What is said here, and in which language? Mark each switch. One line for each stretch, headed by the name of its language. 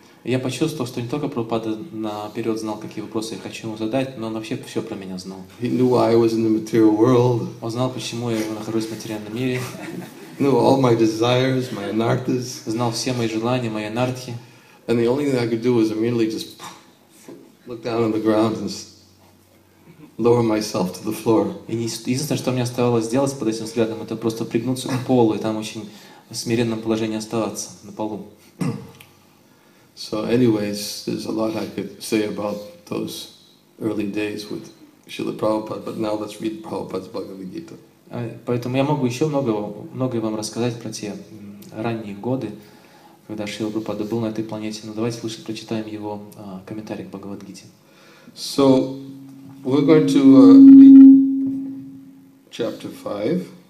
Russian: Я почувствовал, что не только Прабхупада наперед знал, какие вопросы я хочу ему задать, но он вообще все про меня знал.
English: He knew why I was in the material world.
Russian: Он знал, почему я нахожусь в материальном мире.
English: Knew all my desires, my anarthas.
Russian: Знал все мои желания, мои анархи.
English: And the only thing I could do was immediately just look down on the ground and lower myself to the floor.
Russian: И единственное, что мне оставалось делать под этим взглядом, это просто пригнуться к полу и там очень в смиренном положении оставаться на полу.
English: So, anyways, there's a lot I could say about those early days with Srila Prabhupada, but now let's read Prabhupada's Bhagavad Gita.
Russian: Поэтому я могу еще многое вам рассказать про те ранние годы, когда Шрила Прабхупада был на этой планете. Но давайте лучше прочитаем его комментарий к Бхагавад-гите.
English: So, we're going to read chapter 5.